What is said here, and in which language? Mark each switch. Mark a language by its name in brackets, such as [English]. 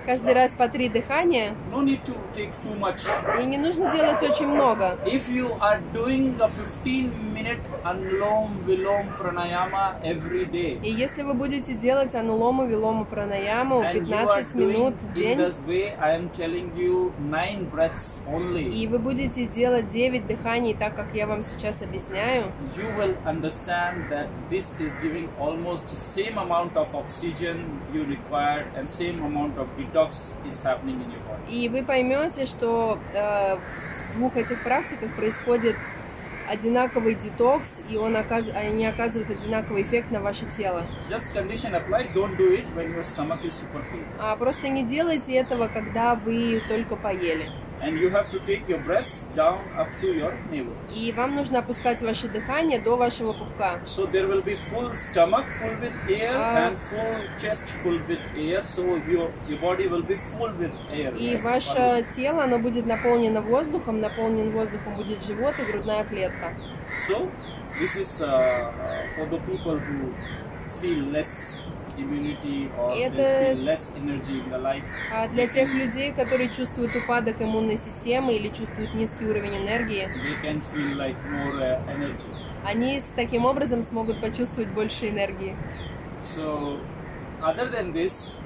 [Russian] Каждый раз по 3 дыхания. [English] No need to take too much. [Russian] И не нужно делать очень много. [English] If you are doing a 15-minute anulom-vilom pranayama every day. [Russian] И если вы будете делать анулому-вилому пранаяму 15 минут в день. [English] In this way, I am telling you 9 breaths only. [Russian] И вы будете делать 9 дыханий, так как я вам сейчас объясняю. [English] You will understand that this is giving almost the same amount of oxygen you require. And same amount of detox is happening in your body. [Russian] И вы поймете, что в двух этих практиках происходит одинаковый детокс, и они оказывают одинаковый эффект на ваше тело. [English] Just condition apply, don't do it when your stomach is super full. [Russian] А просто не делайте этого, когда вы только поели. [English] And you have to take your breaths down up to your navel. [Russian] И вам нужно опускать ваше дыхание до вашего пупка. [English] So there will be full stomach full with air and full chest full with air. So your body will be full with air. [Russian] И [English] right? [Russian] Ваше тело, оно будет наполнено воздухом, наполнен воздухом будет живот и грудная клетка. [English] So this is for the people who feel less. [Russian] Это [English] less energy in the life. [Russian] А для тех людей, которые чувствуют упадок иммунной системы или чувствуют низкий уровень энергии, [English] they can feel like more energy. [Russian] Они с таким образом смогут почувствовать больше энергии. [English] So, other than this,